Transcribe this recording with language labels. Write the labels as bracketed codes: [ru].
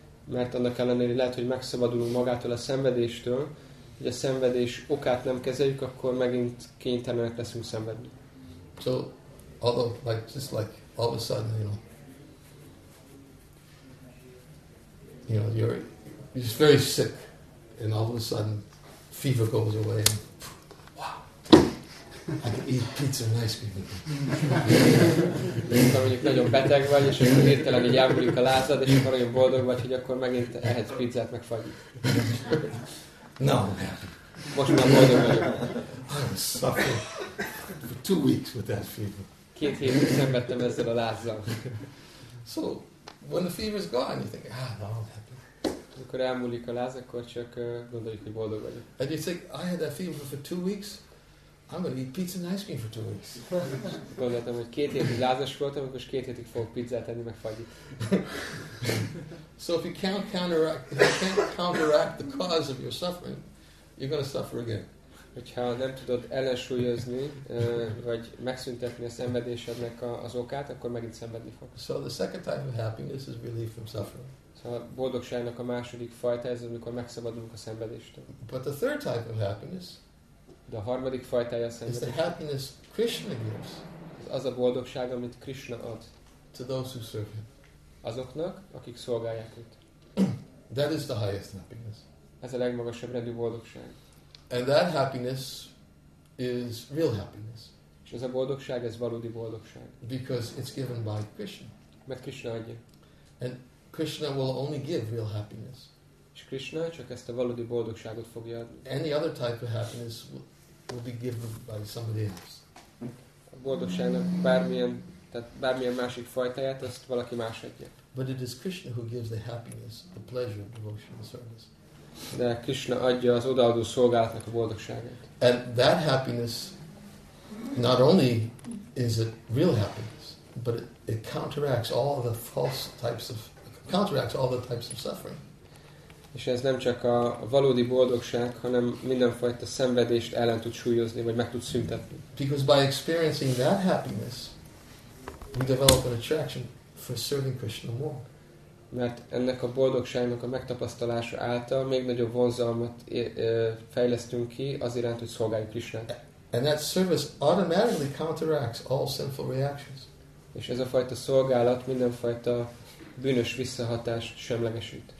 [hu] Mert annak ellenére lehet, hogy megszabadulunk magától a szenvedéstől, hogy a szenvedés okát nem kezeljük, akkor megint kénytelenek leszünk szenvedni. [en] So, although, like, just like, all of a sudden, you're just very sick, and all of a sudden, fever goes away, and, I can eat pizza and ice cream. [hu] Mikor mondjuk nagyon beteg vagy, és akkor hirtelen így elmúlik a lázad, és akkor nagyon boldog vagy, hogy akkor megint ehetsz pizzát, meg fagyit. [en] No. [hu] Most már boldog vagyok. [en] I'm suffering for 2 weeks with that fever. [hu] 2 hétig szenvedtem ezzel a lázzal. [en] So, when the fever is gone, you think, no, I'm happy. [hu] Amikor elmúlik a láz, akkor csak gondoljuk, hogy boldog vagyok. [en] And you think, I had that fever for 2 weeks, I'm going to eat pizza and ice cream for 2 weeks. [hu] Gondoltam, hogy 2 hétig lázas voltam, akkor 2 hétig fogok pizzát enni, meg fagyit. [en] So if you can't counteract the cause of your suffering, you're going to suffer again. [hu] hogyha nem tudod ellensúlyozni, vagy megszüntetni a szenvedésednek az okát, akkor megint szenvedni fog. [en] So the second type of happiness is relief from suffering. [hu] A boldogságnak a második fajta ez, amikor megszabadulunk a szenvedéstől. [en] But the third type of happiness, [hu] de a harmadik fajtája a szenvedés, [en] is the happiness Krishna gives. [hu] Az a boldogság, amit Krishna ad. [en] To those who serve him. [hu] Azoknak, akik szolgálják őt. [en] That is the highest happiness. [hu] Ez a legmagasabb rendű boldogság. [en] And that happiness is real happiness. [hu] És ez a boldogság, ez valódi boldogság. [en] Because it's given by Krishna. [hu] Mert Krishna adja. [en] And Krishna will only give real happiness. [hu] És Krishna csak ezt a valódi boldogságot fogja adni. [en] Any other type of happiness will be given by somebody else. [hu] A boldogságnak bármilyen, tehát bármilyen másik fajtáját, azt valaki más adja. [en] But it is Krishna who gives the happiness, the pleasure of devotional service. [hu] De Krishna adja az odaadó szolgálatnak a boldogságot. [en] And that happiness, not only is it real happiness, but it counteracts all the false types of suffering. [hu] És ez nem csak a valódi boldogság, hanem mindenfajta szenvedést ellen tud súlyozni, vagy meg tud szüntetni. [en] Because by experiencing that happiness, we develop an attraction for serving Krishna more. [hu] Mert ennek a boldogságnak a megtapasztalása által még nagyobb vonzalmat fejlesztünk ki az iránt, hogy szolgáljuk Krisnát. [en] And that service automatically counteracts all sinful reactions. [hu] És ez a fajta szolgálat mindenfajta bűnös visszahatást semlegesít.